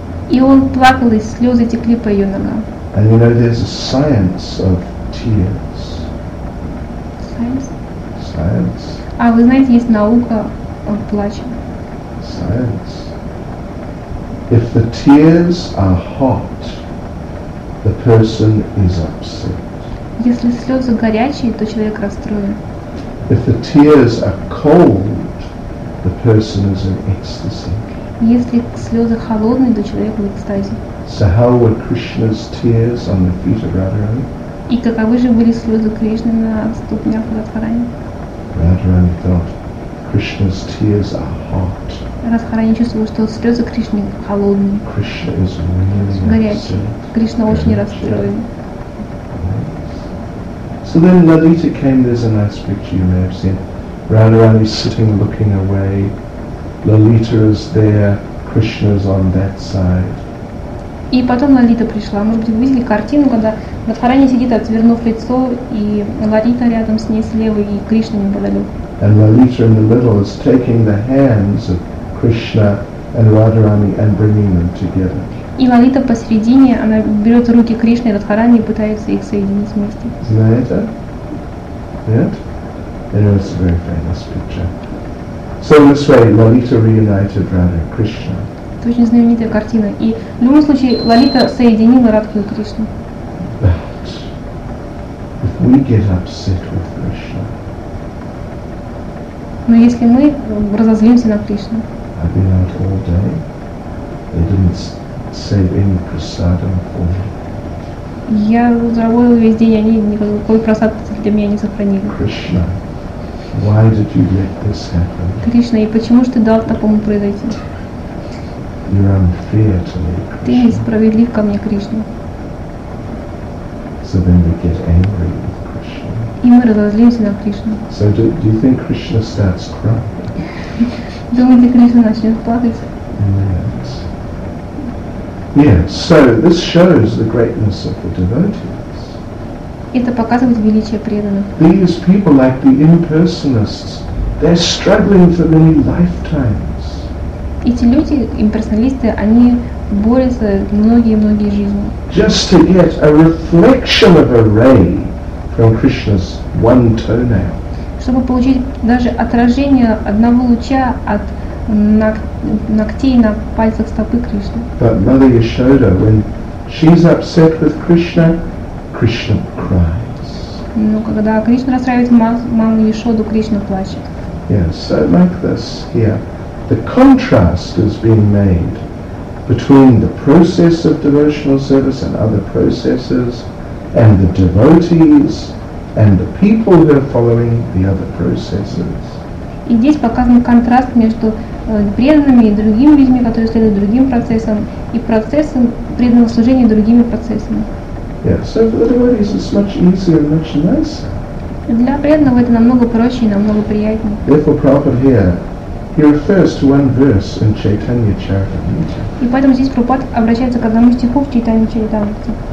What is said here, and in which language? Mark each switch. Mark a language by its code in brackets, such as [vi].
[ru] И он плакал, и слезы текли по ее ногам. [en] And you know, there's a science of tears. Science. [ru] А вы знаете, есть наука о плаче. [en] Science. If the tears are hot, the person is upset. [ru] Если слезы горячие, то человек расстроен. [en] If the tears are cold, the person is in ecstasy. [ru] Если слезы холодные, то человек в экстазе. [en] So how were Krishna's tears on the feet of Radharani? [ru] И каковы же были слезы Кришны на ступнях Радхарани? [en] Radharani thought Krishna's tears are hot. [ru] Радхарани чувствовала, что слезы Кришны холодные. [en] Krishna is really [ru] горячие. [en] Upset. [ru] Кришна очень расстроен. [en] So then Lalita came. There's a nice picture you may have seen. Radharani sitting, looking away. Lalita is there. Krishna's on that side. [ru] И потом Лалита пришла. Может быть, вы видели картину, когда Радхарани сидит, отвернув лицо, и Лалита рядом с ней слева, и Кришна неподалеку. И Лалита посередине, она берет руки Кришны и Радхарани и пытается их соединить вместе. Знаете? Нет? Это очень [en] famous picture. So in this way, Lalita reunited Radha and Krishna. [ru] Это очень знаменитая картина. И в любом случае Лалита соединила Радху и Кришну. [en] But if we get upset with Krishna, [ru] но если мы разозлимся на Кришну, [en] I've been out all day. They didn't save any prasadam for me. [ru] Я заработал весь день, они никакой просад для меня не сохранили. [en] Krishna, why did you let this happen? [ru] Кришна, и почему же ты дал такому произойти? [en] You're unfair to me, Krishna. [ru] Ты несправедлив ко мне, Кришна. [en] So then we get angry with Krishna. [ru] И мы разозлимся на Кришну. [en] So do you think Krishna starts crying? [ru] Думаете, Кришна начнет плакать? [en] Yes. Yes. So this shows the greatness of the devotees. [ru] Это показывает величие преданных. [en] These people, like the impersonalists, they're struggling for many lifetimes. [ru] Эти люди, имперсоналисты, они борется многие-многие жизни. [en] Just to get a reflection of a ray from Krishna's one toenail. [ru] Чтобы получить даже отражение одного луча от ногтей на пальцах стопы Кришны. [en] But Mother Yashoda, when she's upset with Krishna, Krishna cries. [ru] Но когда Кришна расстраивается, мама Яшода, Кришна плачет. [en] Yes, so like this here. The contrast is being made between the process of devotional service and other processes, and the devotees, and the people who are following the other processes. [ru] И здесь показан контраст между преданными и другими людьми, которые следуют другим процессам, и процессом преданного служения другими процессами. [en] Yes, so for the devotees it's much easier and much nicer. [ru] Для преданного это намного проще и намного приятнее. [en] Therefore, Prabhupada here, he refers to one verse in Chaitanya Charitamrita. [ru] И поэтому здесь Прабхупада обращается к одному стиху в Чайтанья Чаритамрите.